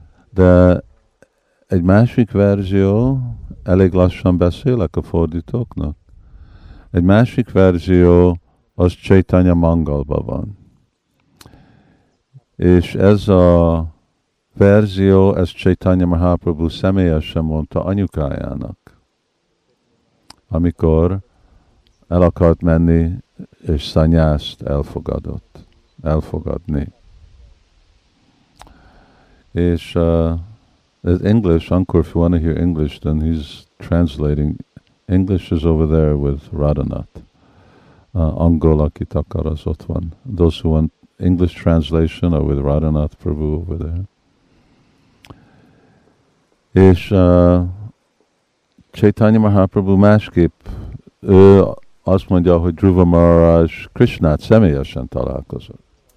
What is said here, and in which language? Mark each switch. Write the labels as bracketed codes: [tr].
[hu] De egy másik verzió, elég lassan beszélek a fordítóknak, egy másik verzió az Chaitanya Mangalba van. És ez a verzió, ezt Chaitanya Mahaprabhu személyesen mondta anyukájának, amikor el akart menni, és szanyászt elfogadni. [en] És az English, Ankur, if you want to hear English, then he's translating. English is over there with Radhanath. [hu] Angol, aki takar, az ott van. [en] Those who want English translation are with Radhanath Prabhu over there. [hu] És Chaitanya Mahaprabhu másképp, ő azt mondja, hogy Dhruva Maharaj Krishnát személyesen találkozott.